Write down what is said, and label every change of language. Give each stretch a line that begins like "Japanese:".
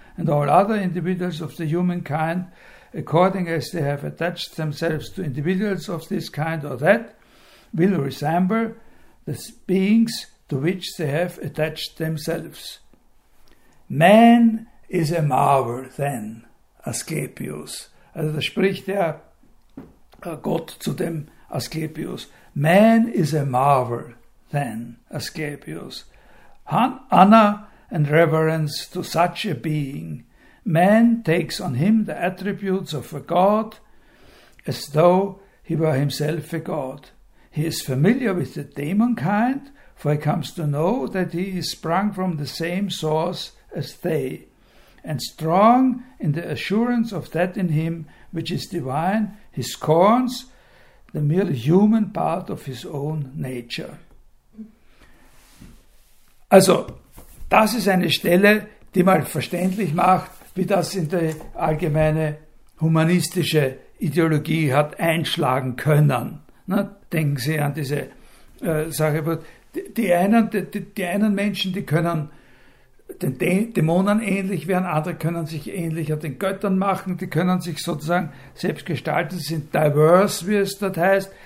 English: And all other individuals of the human kind, according as they have attached themselves to individuals of this kind or that, will resemble the beings to which they have attached themselves. Man is a marvel, then, Asklepios.
German: Also da spricht der Gott zu dem Asklepios.
English: Man is a marvel, then, Asklepios. Honor and reverence to such a being. Man takes on him the attributes of a god as though he were himself a god. He is familiar with the demon kind, for he comes to know that he is sprung from the same source as they, and strong in the assurance of that in him which is divine, he scorns the merely human part of his own nature.
German: Also, das ist eine Stelle, die mal verständlich macht, wie das in die allgemeine humanistische Ideologie hat einschlagen können. Na, denken Sie an diese Sache. Die einen Menschen, die können den Dämonen ähnlich werden, andere können sich ähnlicher den Göttern machen, die können sich sozusagen selbst gestalten, sind diverse, wie es dort heißt.